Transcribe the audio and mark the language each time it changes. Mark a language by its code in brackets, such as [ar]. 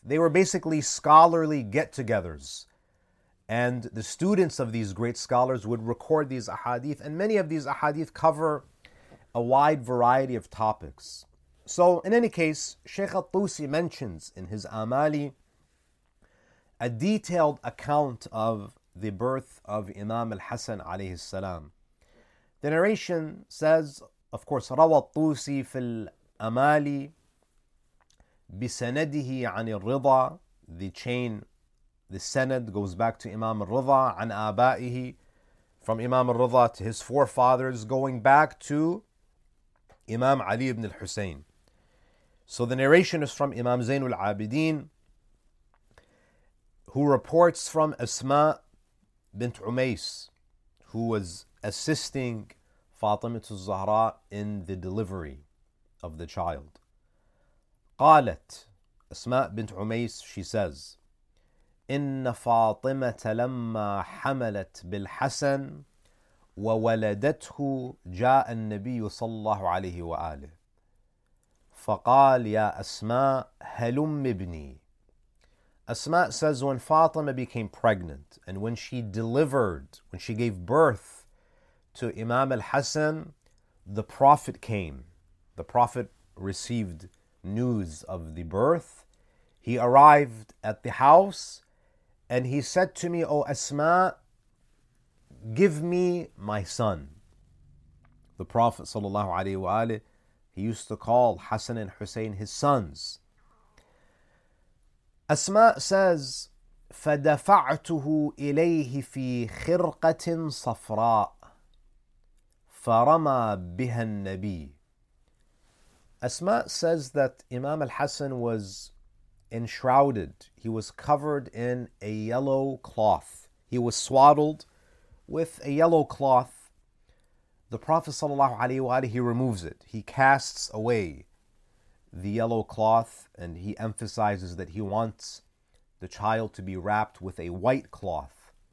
[en] They were basically scholarly get-togethers, and the students of these great scholars would record these ahadith, and many of these ahadith cover a wide variety of topics. So, in any case, Shaykh al-Tusi mentions in his Amali a detailed account of the birth of Imam al-Hasan alayhi salam. The narration says, of course, [ar] رَوَى الطُّوسِي فِي الْأَمَالِ بِسَنَدِهِ عَنِ الرِّضَى. [en] The chain, the sanad goes back to Imam al-Rida, [ar] عَنْ آبَائِهِ, [en] from Imam al-Rida to his forefathers, going back to Imam Ali ibn al-Husayn. So the narration is from Imam Zainul Abideen, who reports from Asma bint Umays, who was assisting Fatima al-Zahra in the delivery of the child. [ar] قالت Asma bint Umays, [en] she says, [ar] إِنَّ فَاطِمَةَ لَمَّا حَمَلَتْ بِالْحَسَنِ وَوَلَدَتْهُ جَاءَ النَّبِيُّ صَلَّى اللَّهُ عَلَيْهِ وَآلِهِ فَقَالْ يَا أَسْمَاء هَلُمِّ ابْنِي. [en] Asma says, when Fatima became pregnant and when she delivered, when she gave birth to Imam al-Hasan, the Prophet came. The Prophet received news of the birth. He arrived at the house and he said to me, O Asma, give me my son. The Prophet sallallahu alayhi wa alayhi, he used to call Hassan and Hussein his sons. [ar] Asma says, فَدَفَعْتُهُ إِلَيْهِ فِي خِرْقَةٍ صَفْرَاءٍ فَرَمَى بِهَا النَّبِيِّ. [en] Asma says that Imam al-Hassan was enshrouded. He was covered in a yellow cloth. He was swaddled with a yellow cloth. The Prophet sallallahu alayhi wa alayhi, he removes it. He casts away the yellow cloth and he emphasizes that he wants the child to be wrapped with a white cloth.